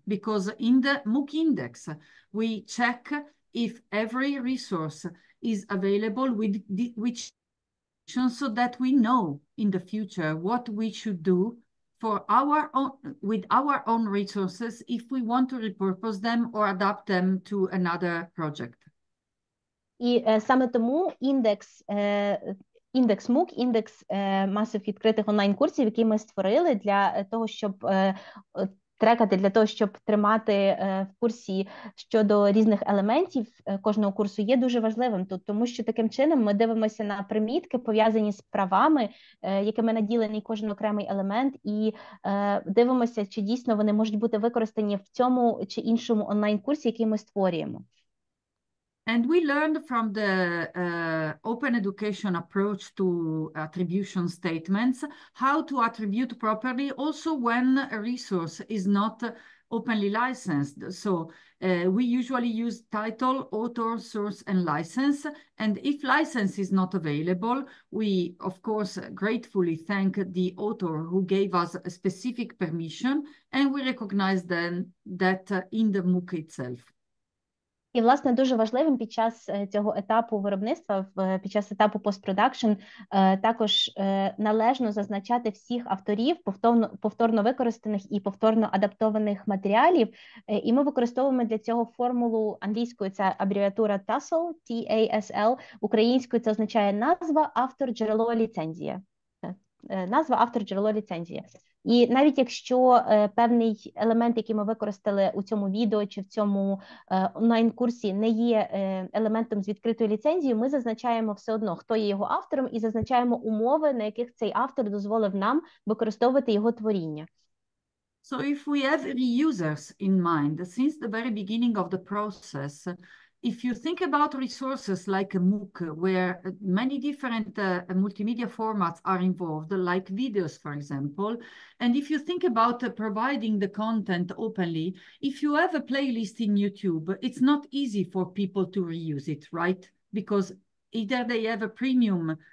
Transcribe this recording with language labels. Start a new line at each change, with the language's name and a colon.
English: Because in the MOOC index, we check if every resource is available with which, so that we know in the future what we should do for our own, with our own resources if we want to repurpose them or adapt them to another project.
Ukrainian: І саме тому індекс MOOC, індекс масив відкритих онлайн-курсів, який ми створили для того, щоб трекати, для того, щоб тримати в курсі щодо різних елементів кожного курсу, є дуже важливим тут, тому що таким чином ми дивимося на примітки, пов'язані з правами, якими наділений кожен окремий елемент, і дивимося, чи дійсно вони можуть бути використані в цьому чи іншому онлайн-курсі, який ми створюємо.
English: And we learned from the open education approach to attribution statements how to attribute properly also when a resource is not openly licensed. So we usually use title, author, source, and license. And if license is not available, we of course gratefully thank the author who gave us a specific permission, and we recognize then that in the MOOC itself.
Ukrainian: І, власне, дуже важливим під час цього етапу виробництва, під час етапу постпродакшн, також належно зазначати всіх авторів повторно використаних і повторно адаптованих матеріалів. І ми використовуємо для цього формулу англійською, це абревіатура TASL, T-A-S-L, українською це означає назва, автор, джерело, ліцензія. Назва, автор, джерело, ліцензія. І навіть якщо певний елемент, який ми використали у цьому відео чи в цьому онлайн-курсі, не є елементом з відкритою ліцензією, ми зазначаємо все одно, хто є його автором, і зазначаємо умови, на яких цей автор дозволив нам використовувати його творіння.
English: So if we have reusers in mind, since the very beginning of the process, if you think about resources like a MOOC, where many different multimedia formats are involved, like videos, for example, and if you think about providing the content openly, if you have a playlist in YouTube, it's not easy for people to reuse it, right? Because either they have a premium